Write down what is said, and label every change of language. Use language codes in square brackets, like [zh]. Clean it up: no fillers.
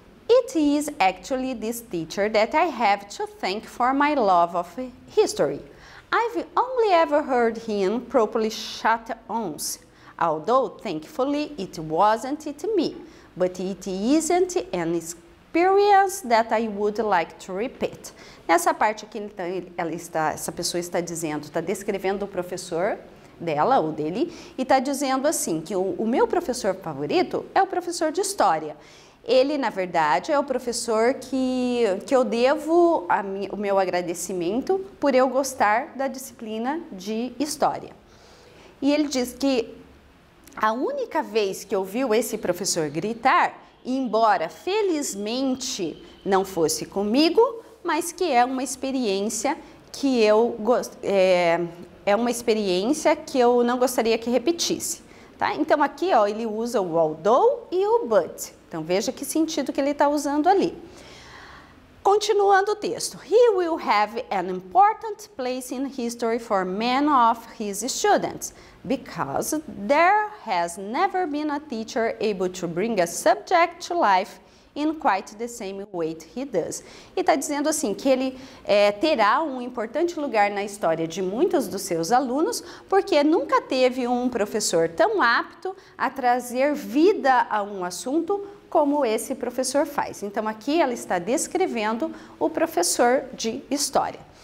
[en] It is actually this teacher that I have to thank for my love of history. I've only ever heard him properly shut once, although thankfully it wasn't it me, but it isn't an experience that I would like to repeat. [pt] Nessa parte aqui, então, essa pessoa está dizendo, está descrevendo o professor dela ou dele, e está dizendo assim, que o meu professor favorito é o professor de história. Ele, na verdade, é o professor que eu devo o meu agradecimento por eu gostar da disciplina de história. E ele diz que a única vez que ouviu esse professor gritar, embora felizmente não fosse comigo, mas que é uma experiência que eu é uma experiência que eu não gostaria que repetisse, tá? Então, aqui, ó, ele usa o although e o but. Então, veja que sentido que ele está usando ali. Continuando o texto. [en] He will have an important place in history for many of his students, because there has never been a teacher able to bring a subject to life in quite the same way he does. [pt] E está dizendo assim, que ele terá um importante lugar na história de muitos dos seus alunos, porque nunca teve um professor tão apto a trazer vida a um assunto como esse professor faz. Então, aqui ela está descrevendo o professor de história.